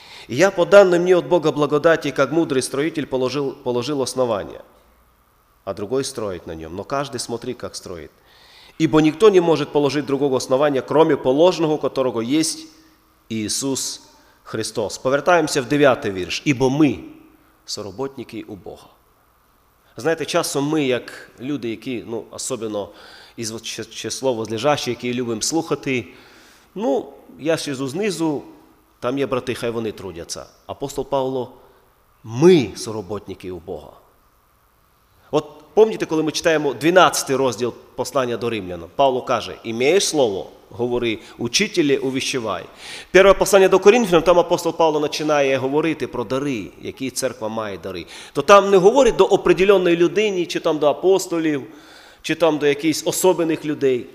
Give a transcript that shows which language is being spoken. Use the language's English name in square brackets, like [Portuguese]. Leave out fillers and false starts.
[Russian] И я по данным мне от Бога благодати, как мудрый строитель, положил основание, а другой строит на нем. Но каждый смотри, как строит. Ибо никто не может положить другого основания, кроме положенного, которого есть Иисус Христос. [Ukrainian] Повертаемся в 9 вірш. [Russian] Ибо мы соработники у Бога. Знаете, часом мы, как люди, [Ukrainian] які, ну, [Russian] особенно из числа возлежащих, [Ukrainian] які любим слухати, ну, я ще знизу, там є брати, хай вони трудяться. Апостол Павло, ми соработники у Бога. От пам'ятаєте, коли ми читаємо 12 розділ послання до Римлян, Павло каже, імієш слово, говори, учителі, увіщувай. Перше послання до Корінфян, там апостол Павло починає говорити про дари, які церква має дари. То там не говорить до определеної людини, чи там до апостолів, чи там до якихось особливих людей.